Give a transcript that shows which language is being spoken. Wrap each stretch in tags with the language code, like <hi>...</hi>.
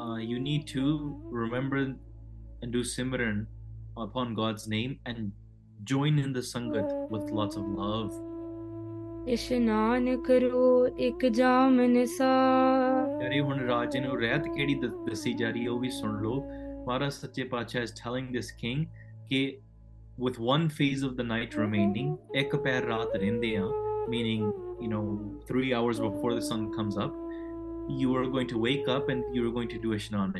<en>You need to remember and do simran upon God's name and join in the sangat with lots of love.</en> <pa>ਇਸ਼ਨਾਨ ਕਰੋ ਇੱਕ ਜਾਮ ਨਿਸਾ। ਯਾਰੇ ਹੁਣ ਰਾਜੇ ਨੂੰ ਰਹਿਤ ਕਿਹੜੀ ਦੱਸੀ ਜਾ ਰਹੀ ਹੈ ਉਹ ਵੀ ਸੁਣ ਲਓ।</pa> <en>ਮਹਾਰਾਜ ਸੱਚੇ ਪਾਤਸ਼ਾਹ ਇਸ ਟੈਲਿੰਗ ਦਿਸ ਕਿੰਗ ਕਿ with one phase of the night remaining,</en> <pa>ek pair raat rehnde aan,</pa> <en>meaning, you know, 3 hours before the sun comes up, you are going to wake up and you are going to do ishnan.</en>